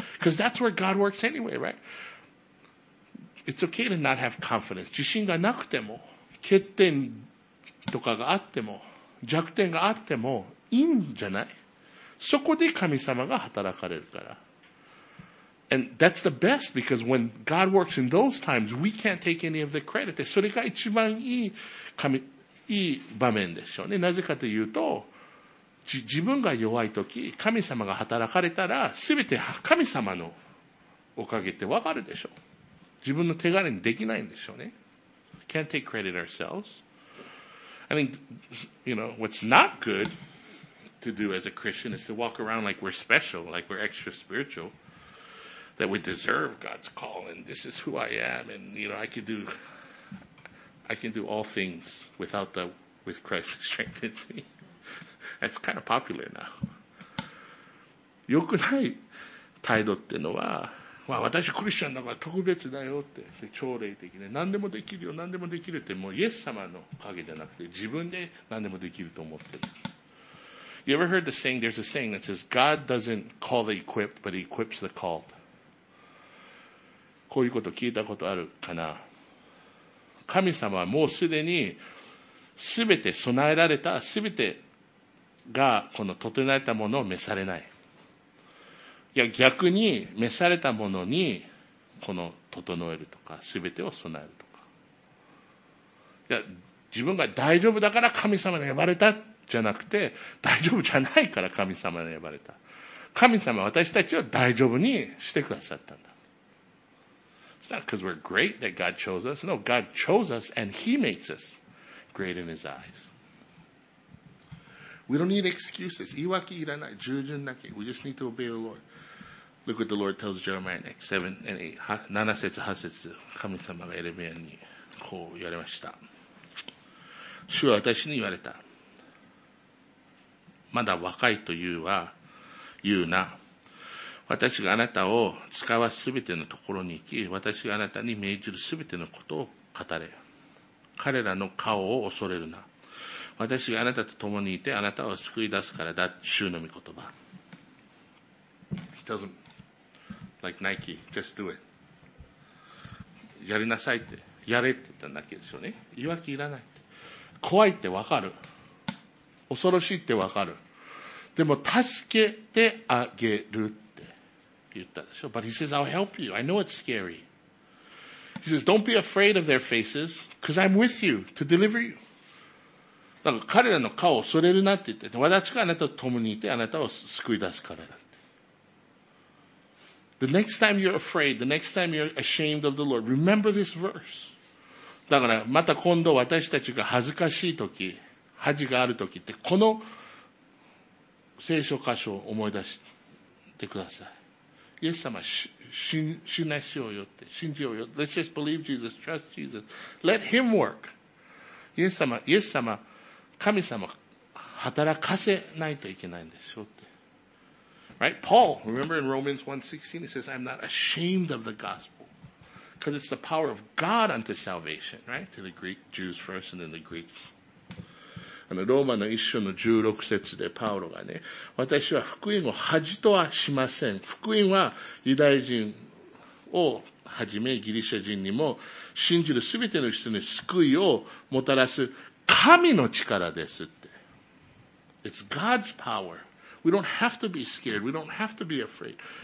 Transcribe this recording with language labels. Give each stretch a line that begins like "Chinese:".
English: Because that's where God works anyway, right? It's okay to not have confidence.
Japanese: 自信がなくても、欠点とかがあっても、弱点があっても、いいんじゃない？そこで神様が働かれるから。
English: And that's the best because when God works in those times, we can't take any of the credit.
Japanese: それが一番いい神、いい場面でしょうね。なぜかというと、自分が弱いとき、神様が働かれたら、すべて神様のおかげってわかるでしょう。自分の手柄にできないんでしょうね。
English: Can't take credit ourselves. I think, you know, what's not good to do as a Christian is to walk around like we're special, like we're extra spiritual. That we deserve God's call, and this is who I am, and you know, I can do all things with Christ who strengthens me. That's kind of popular now.
Japanese: 良くない態度ってのは、まあ私クリスチャンだから特別だよって、で超霊的ね、何でもできるよ、何でもできるって、もうイエス様のおかげじゃなくて、自分で何でもできると思ってる。
English: You ever heard the saying, there's a saying that says, God doesn't call the equipped, but he equips the called.
Japanese: こういうこと聞いたことあるかな。神様はもうすでにすべて備えられた、すべてがこの整えたものを召されない。いや逆に召されたものにこの整えるとか、すべてを備えるとか。や、自分が大丈夫だから神様に呼ばれたじゃなくて、大丈夫じゃないから神様に呼ばれた。神様は私たちを大丈夫にしてくださったんだ。
English: It's not because we're great that God chose us. No, God chose us and He makes us great in His eyes. We don't need excuses.
Japanese: 言い訳いらない。従順だけ。
English: We just need to obey the Lord. Look what the Lord tells Jeremiah next. 7 and 8.
Japanese: 7節、8節。神様がエレミアにこう言われました。主は私に言われた。まだ若いというは、言うな。私があなたを使わすべてのところに行き、私があなたに命じるすべてのことを語れ。彼らの顔を恐れるな。私があなたと共にいて、あなたを救い出すからだ、主の御言葉。
English: He doesn't, like Nike, just do it.
Japanese: やりなさいって、やれって言ったんだけでしょうね。言い訳いらないって。怖いってわかる。恐ろしいってわかる。でも、助けてあげるって言ったでしょ。
English: But he says, I'll help you. I know it's scary. He says, don't be afraid of their faces, because I'm with you to deliver you.
Japanese: だから彼らの顔を恐れるなって言って、私があなたと共にいて、あなたを救い出すからだって。
English: The next time you're afraid, the next time you're ashamed of the Lord, remember this verse.
Japanese: だから、また今度私たちが恥ずかしいとき、恥があるときって、この、聖書箇所を思い出してください。イエス様、信頼しようよって、信じようよ。
English: Let's just believe Jesus, trust Jesus. Let him work.
Japanese: イエス様、神様、働かせないといけないんでしょうって。
English: Right? Paul, remember in Romans 1:16, he says, I'm not ashamed of the gospel. Because it's the power of God unto salvation, right? To the Greek Jews first and then the Greeks.
Japanese: ローマの一章の16節でパウロがね、私は福音を恥とはしません。福音はユダヤ人をはじめギリシャ人にも信じるすべての人に救いをもたらす神の力ですって。
English: It's God's power. We don't have to be scared. We don't have to be afraid.